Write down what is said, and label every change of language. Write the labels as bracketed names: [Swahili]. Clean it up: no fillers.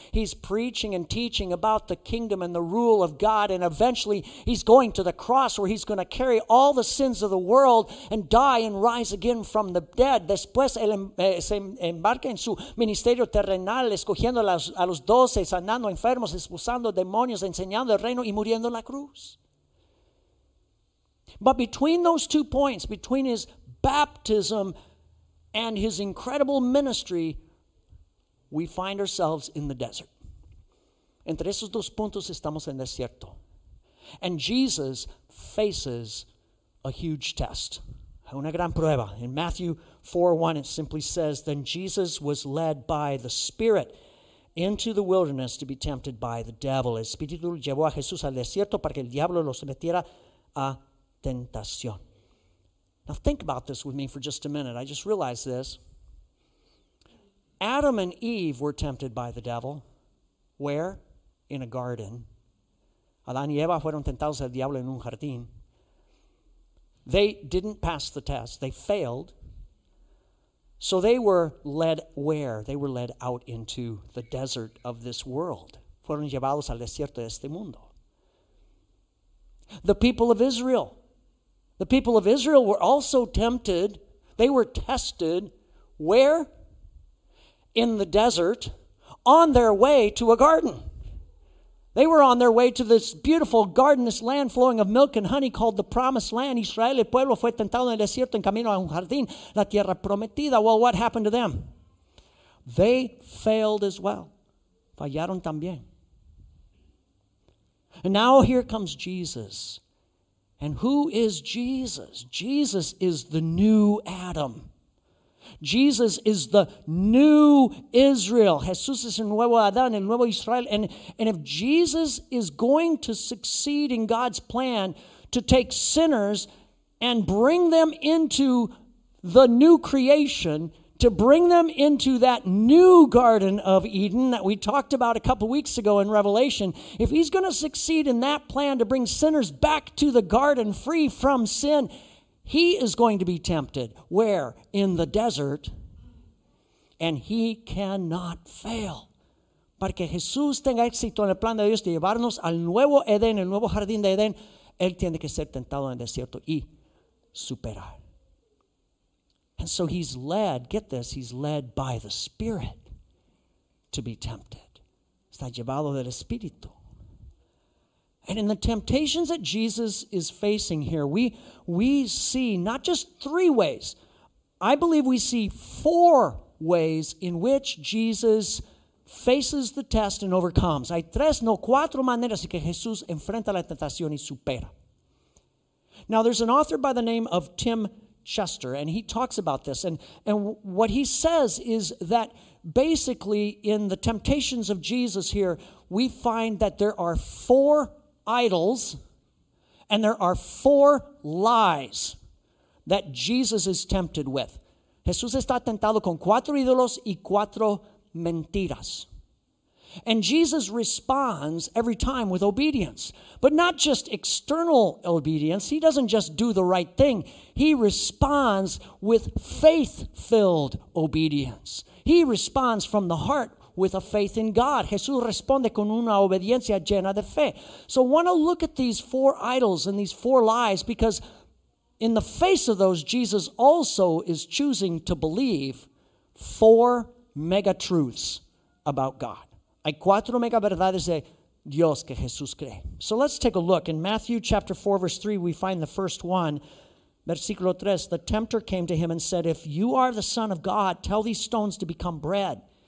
[English] He's preaching and teaching about the kingdom and the rule of God. And eventually, he's going to the cross where he's going to carry all the sins of the world and die and rise again from the dead. [Spanish] Después, él se embarca en su ministerio terrenal, escogiendo a los 12, sanando enfermos, usando demonios, enseñando el reino y muriendo en la cruz. [English] But between those two points, between his baptism and his incredible ministry, we find ourselves in the desert. [Spanish] Entre esos dos puntos estamos en desierto. [English] And Jesus faces a huge test. [Spanish] Una gran prueba. [English] In Matthew 4:1, it simply says, "Then Jesus was led by the Spirit into the wilderness to be tempted by the devil." [Spanish] El Espíritu llevó a Jesús al desierto para que el diablo lo sometiera a tentación. [English] Now think about this with me for just a minute. I just realized this. Adam and Eve were tempted by the devil. Where? In a garden. [Spanish] Adán y Eva fueron tentados al diablo en un jardín. [English] They didn't pass the test. They failed. So they were led where? They were led out into the desert of this world. [Spanish] Fueron llevados al desierto de este mundo. [English] The people of Israel. The people of Israel were also tempted. They were tested. Where? In the desert, on their way to a garden. They were on their way to this beautiful garden, this land flowing of milk and honey called the Promised Land. [Spanish] Israel, el pueblo, fue tentado en el desierto en camino a un jardín, la tierra prometida. [English] Well, what happened to them? They failed as well. [Spanish] Fallaron también. [English] And now here comes Jesus. And who is Jesus? Jesus is the new Adam. Jesus is the new Israel. [Spanish] Jesús es el nuevo Adán, el nuevo Israel. [English] And if Jesus is going to succeed in God's plan to take sinners and bring them into the new creation, to bring them into that new Garden of Eden that we talked about a couple weeks ago in Revelation, if he's going to succeed in that plan to bring sinners back to the garden free from sin, he is going to be tempted. Where? In the desert. And he cannot fail. [Spanish] Para que Jesús tenga éxito en el plan de Dios de llevarnos al nuevo Edén, el nuevo jardín de Edén, él tiene que ser tentado en el desierto y superar. [English] And so he's led, get this, he's led by the Spirit to be tempted. [Spanish] Está llevado del Espíritu. [English] And in the temptations that Jesus is facing here, we see not just three ways. I believe we see four ways in which Jesus faces the test and overcomes. [Spanish] Hay tres, no cuatro maneras en que Jesús enfrenta la tentación y supera. [English] Now, there's an author by the name of Tim Chester, and he talks about this. And what he says is that basically in the temptations of Jesus here, we find that there are four idols, and there are four lies that Jesus is tempted with. [Spanish] Jesús está tentado con cuatro ídolos y cuatro mentiras. [English] And Jesus responds every time with obedience. But not just external obedience. He doesn't just do the right thing. He responds with faith-filled obedience. He responds from the heart with a faith in God. [Spanish] Jesús responde con una obediencia llena de fe. [English] So I want to look at these four idols and these four lies, because in the face of those, Jesus also is choosing to believe four mega truths about God. [Spanish] Hay cuatro mega verdades de Dios que Jesús cree. [English] So let's take a look. In Matthew chapter 4, verse 3, we find the first one. Versículo 3, the tempter came to him and said, if you are the Son of God, tell these stones to become bread.